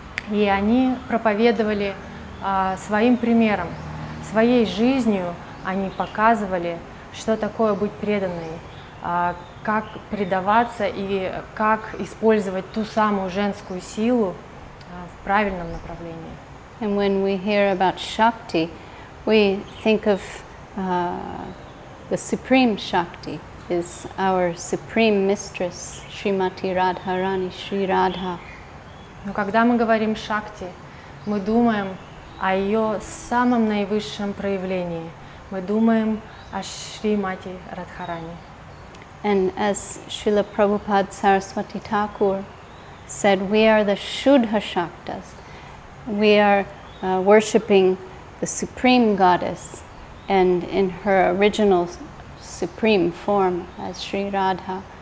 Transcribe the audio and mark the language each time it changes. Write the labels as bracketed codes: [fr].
[ru] И они проповедовали своим примером, своей жизнью они показывали, что такое быть преданной, как предаваться и как использовать ту самую женскую силу в правильном направлении. [en] And when we hear about Shakti, we think of the Supreme Shakti is our Supreme Mistress, Shrimati Radharani, Shri Radha. [ru] Но когда мы говорим Шакти, мы думаем о ее самом наивысшем проявлении. Мы думаем о Шримати Радхарани. [en] And as Srila Prabhupada Saraswati Thakur said, we are the Shuddha Shaktas. We are worshipping the Supreme Goddess and in her original supreme form as Sri Radha.